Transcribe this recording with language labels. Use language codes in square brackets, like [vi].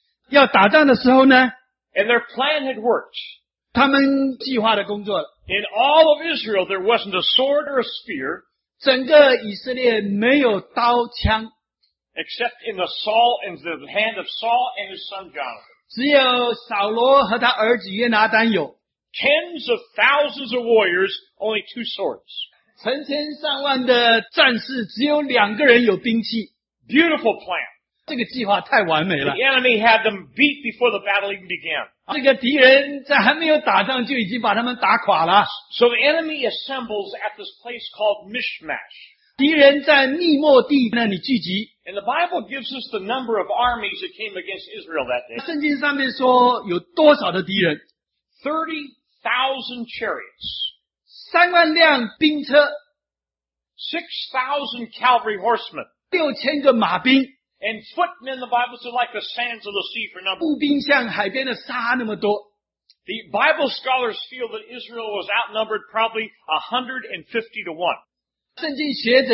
[zh] 要打仗的时候呢, [en] and their plan had worked. [zh] 他们计划的工作了。 [en] In all of Israel, there wasn't a sword or a spear, [zh] 整个以色列没有刀枪, [en] except in the Saul and the hand of Saul and his son Jonathan. [zh] 只有扫罗和他儿子约拿单有。 [en] Tens of thousands of warriors, only two swords. [zh] 成千上万的战士只有两个人有兵器。 [en] Beautiful plan. [zh] 这个计划太完美了。 [en] The enemy had them beat before the battle even began. [zh] 这个敌人在还没有打仗就已经把他们打垮了。 [en] So the enemy assembles at this place called Mishmash. [zh] 敌人在密莫地那里聚集。 [en] And the Bible gives us the number of armies that came against Israel that day. [zh] 圣经上面说有多少的敌人。 [en] 30,000 chariots. [zh] 3万辆兵车, [en] 6,000 cavalry horsemen. [zh] 6,000个马兵, [en] and footmen, the Bible said, like the sands of the sea for number. [zh] 步兵像海边的沙那么多, [en] the Bible scholars feel that Israel was outnumbered probably 150 to 1.